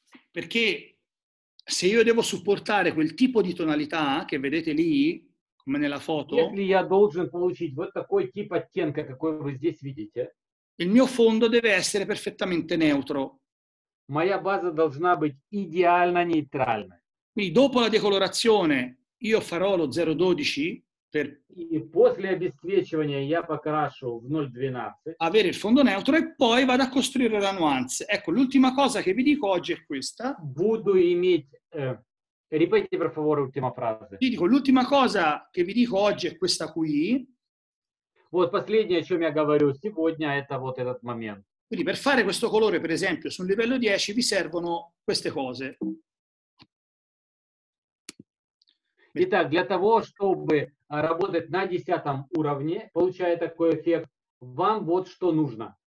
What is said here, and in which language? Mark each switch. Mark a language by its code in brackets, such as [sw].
[it] Perché se io devo supportare quel tipo di tonalità che vedete lì, come nella foto, [ru] если я должен получить вот такой тип оттенка, какой вы здесь видите, [it] il mio fondo deve essere perfettamente neutro. [ru] Моя база должна быть идеально нейтральной. [it] Quindi dopo la decolorazione io farò lo 0,12 per [ru] после обесцвечивания я покрашу в 0,12 [it] avere il fondo neutro e poi vado a costruire la nuance. Ecco, l'ultima cosa che vi dico oggi è questa. [ru] Буду иметь... [it] Ripeti, per favore, l'ultima frase. Vi dico, l'ultima cosa che vi dico oggi è questa qui. [ru] Вот последнее, о чем я говорю сегодня, это вот этот момент. [it] Quindi per fare questo colore, per esempio, su un livello 10 vi servono queste cose. [ru] Итак, для того, чтобы работать на 10 уровне, получая такой эффект, вам вот что нужно.